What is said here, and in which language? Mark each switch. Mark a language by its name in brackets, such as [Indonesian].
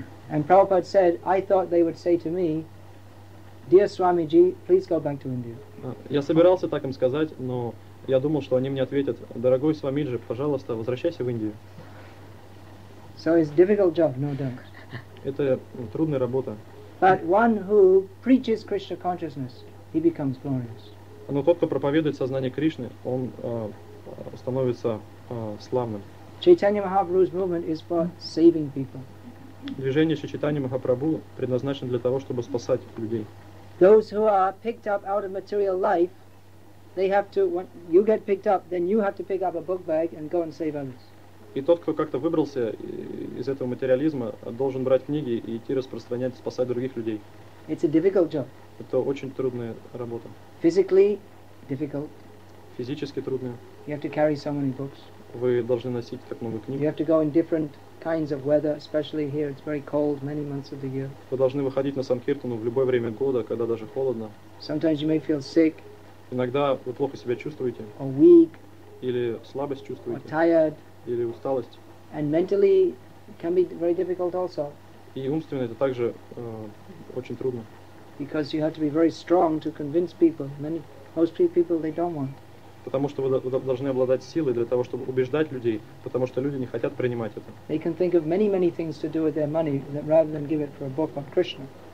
[English] And Prabhupada said, I thought they would say to me, dear Swamiji, please go back to India. [Russian] Я собирался так им сказать, но я думал, что они мне ответят, дорогой Свамиджи, пожалуйста, возвращайся в Индию. [English] So it's a difficult job, no doubt. [Russian] Это трудная работа. [English] But one who preaches Krishna consciousness, he becomes glorious. [Russian] Но тот, кто проповедует сознание Кришны, он становится славным. [English] Chaitanya Mahaprabhu's movement is for saving people. [Russian] Движение Чайтаньи Махапрабху предназначено для того, чтобы спасать людей. [English] Those who are picked up out of material life, they have to, when you get picked up, then you have to pick up a book bag and go and save others. [Russian] И тот, кто как-то выбрался из этого материализма, должен брать книги и идти распространять, спасать других людей. [English] It's a difficult job. [Russian] Это очень трудная работа. [English] Physically difficult. [Russian] Физически трудная. [English] You have to carry so many books. [Russian] Вы должны носить так много книг. [English] You have to go in different kinds of weather, especially here it's very cold many months of the year. [Russian] Вы должны выходить на Санкт-Киртану в любое время года, когда даже холодно. [English] Sometimes you may feel sick. [Russian] Иногда вы плохо себя чувствуете. [English] Or weak. [Russian] Или слабость чувствуете. [English] Or tired. [Russian] Или усталость. [English] And mentally can be very difficult also. [Russian] И умственно это также очень трудно. [English] Because you have to be very strong to convince people. Most people they don't want. [Russian] Потому что вы должны обладать силой для того, чтобы убеждать людей, потому что люди не хотят принимать это. [English] They can think of many things to do with their money rather than give it for a book on Krishna.